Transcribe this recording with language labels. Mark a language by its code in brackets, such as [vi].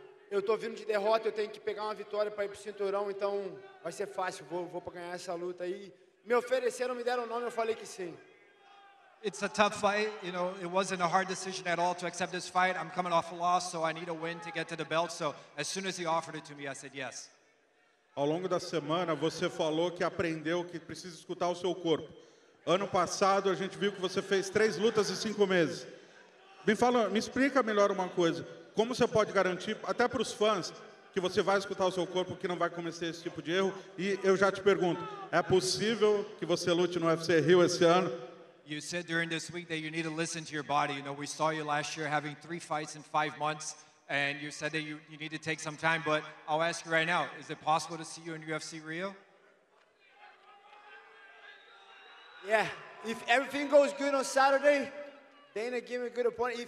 [pt] Eu tô vindo de derrota, eu tenho que pegar uma vitória para ir pro cinturão, então vai ser fácil. Vou pra ganhar essa luta aí. Me ofereceram, me deram o nome, eu falei que sim. [en] It's a tough fight, you know, it wasn't a hard decision at all to accept this fight. I'm coming off a loss, so I need a win to get to the belt. So as soon as he offered it to me, I said yes. [pt] Ao longo da semana, você falou que aprendeu que precisa escutar o seu corpo. Ano passado, a gente viu que você fez 3 lutas em 5 meses. Me explica melhor uma coisa. Como você pode garantir, até para os fãs, que você vai escutar o seu corpo, que não vai cometer esse tipo de erro? E eu já te pergunto, é possível que você lute no UFC Rio esse ano? [en] You said during this week that you need to listen to your body. You know, we saw you last year having 3 fights in 5 months. And you said that you need to take some time, but I'll ask you right now, is it possible to see you in UFC Rio? Yeah, if everything goes good on Saturday, Dana gave me a good appointment.